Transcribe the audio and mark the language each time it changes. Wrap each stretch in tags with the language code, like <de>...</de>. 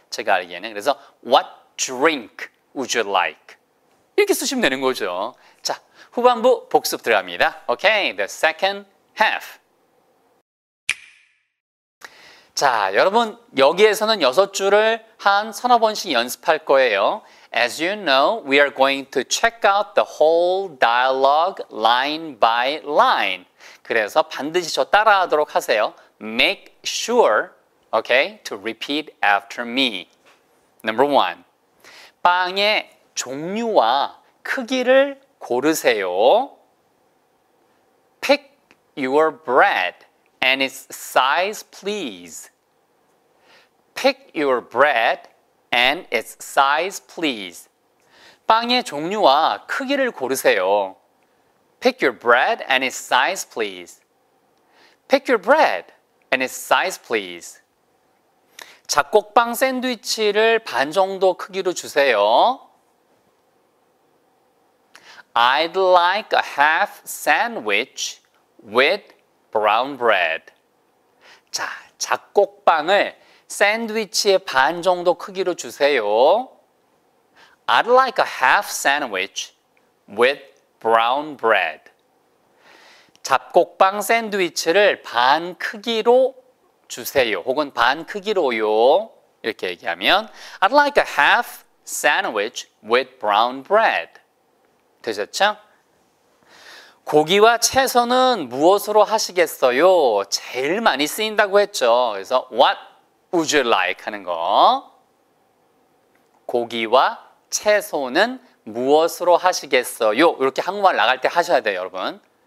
<ko>제가 알기에는. 그래서</ko> <en>What drink would you like?</en> <ko>이렇게 쓰시면 되는 거죠. 자, 후반부 복습 들어갑니다.</ko> <en>Okay, the second half.</en> <ko>자, 여러분 여기에서는 여섯 줄을 한 서너 번씩 연습할 거예요.</ko> <en>As you know, we are going to check out the whole dialogue line by line.</en> <ko>그래서 반드시 저 따라하도록 하세요.</ko> <en>Make sure, okay, to repeat after me. Number one,</en> <ko>빵의 종류와 크기를 고르세요.</ko> <en>Pick your bread and its size, please. Pick your bread and its size, please.</en> <ko>빵의 종류와 크기를 고르세요.</ko> <en>Pick your bread and its size, please. Pick your bread and its size, please.</en> <ko>잡곡빵 샌드위치를 반 정도 크기로 주세요.</ko> <en>I'd like a half sandwich with brown bread.</en> <ko>자, 잡곡빵을 샌드위치의 반 정도 크기로 주세요.</ko> <en>I'd like a half sandwich with brown bread.</en> <ko>잡곡빵 샌드위치를 반 크기로 주세요. 혹은 반 크기로요. 이렇게 얘기하면</ko> <en>I'd like a half sandwich with brown bread.</en> <ko>되셨죠? 고기와 채소는 무엇으로 하시겠어요? 제일 많이 쓰인다고 했죠. 그래서</ko> <en>what would you like</en> <ko>하는 거. 고기와 채소는 무엇으로 하시겠어요? 이렇게 한국말 나갈 때 하셔야 돼요, 여러분.</ko>